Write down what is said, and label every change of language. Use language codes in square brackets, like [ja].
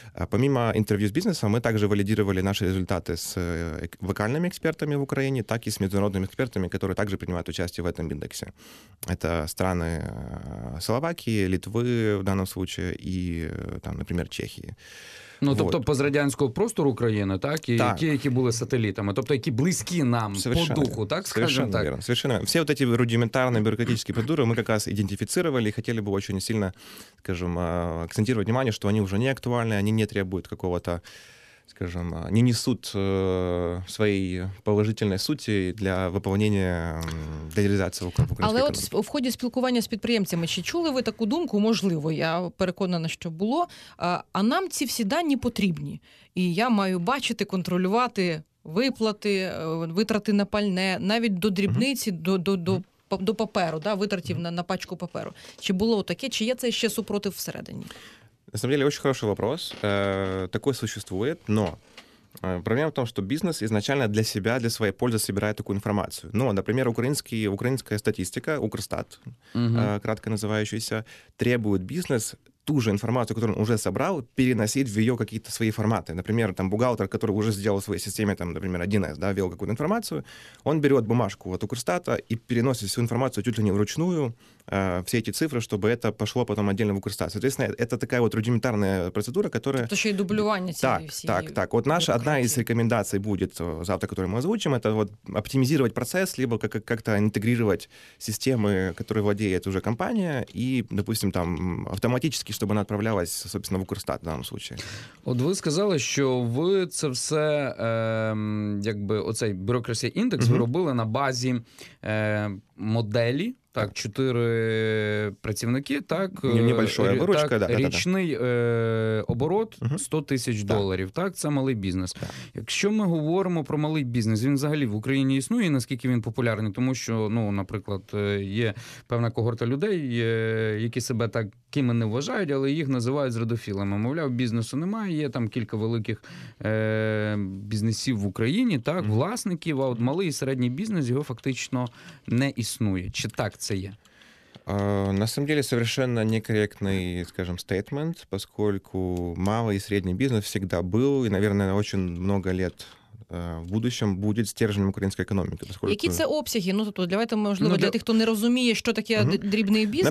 [ru] Помимо интервью с бизнесом, мы также валидировали наши результаты с локальными экспертами в Украине, так и с международными экспертами, которые также принимают участие в этом индексе. Это страны Словакии, Литвы в данном случае и, там, например, Чехії. [uk] Ну, тобто, вот. Пострадянського простору України, так? І так. Ті, які були сателітами, тобто, які близькі нам [ru] совершенно по духу, так, скажем так? Верно. Совершенно верно. Всі вот эти рудиментарные бюрократические процедуры мы как раз идентифицировали и хотели бы очень сильно, скажем, акцентировать внимание, что они уже не актуальны, они не требуют какого-то, скажем, не несут своей положительной сути для выполнения, для реализации в Украине. [uk] Але от в ході спілкування з підприємцями, чи чули ви таку думку? Можливо, я переконана, що було. А нам ці всі дані потрібні. І я маю бачити, контролювати виплати, витрати на пальне, навіть до дрібниці, до паперу, да, витратів на пачку паперу. Чи було таке, чи є це ще супротив всередині? [ru] На самом деле, очень хороший вопрос. Такое существует, но проблема в том, что бизнес изначально для себя, для своей пользы собирает такую информацию. Ну, например, украинская статистика, Укрстат, кратко называющаяся, требует бизнес ту же информацию, которую он уже собрал, переносить в ее какие-то свои форматы. Например, там бухгалтер, который уже сделал в своей системе, там, например, 1С, да, ввел какую-то информацию, он берет бумажку от Укрстата и переносит всю информацию чуть ли не вручную, все эти цифры, чтобы это пошло потом отдельно в Укрстат. Соответственно, это такая вот рудиментарная процедура, которая... То есть и дублювание всей... Так. Вот наша одна из рекомендаций будет завтра, которую мы озвучим, это вот оптимизировать процесс, либо как-то интегрировать системы, которые владеет уже компания, и, допустим, там автоматически, [uk] щоб вона відправлялася, [ru] собственно, в Укрстат в даному случаї. [uk] От ви сказали, що ви це все, якби оцей бюрократія індекс, ви робили на базі моделі, так, 4 працівники, так, [ru] небольшая выручка, [uk] так, річний оборот 100 тисяч доларів, так, це малий бізнес. Так. Якщо ми говоримо про малий бізнес, він взагалі в Україні існує, наскільки він популярний, тому що, ну, наприклад, є певна когорта людей, які себе так якими не вважають, але їх називають зрадофілами. Мовляв, бізнесу немає, є там кілька великих бізнесів в Україні, так, власників, а от малий і середній бізнес, його фактично не існує. Чи так це є? [ru] На самом деле, совершенно некорректный, скажем, стейтмент, поскольку малый и средний бизнес всегда был и, наверное, очень много лет в будущем будет стержнем украинской экономики. Поскольку... Какие это обсяги? Ну, то давайте, [uk] можливо, [ru] для тех, кто не разумеет, что такое дрібний бизнес.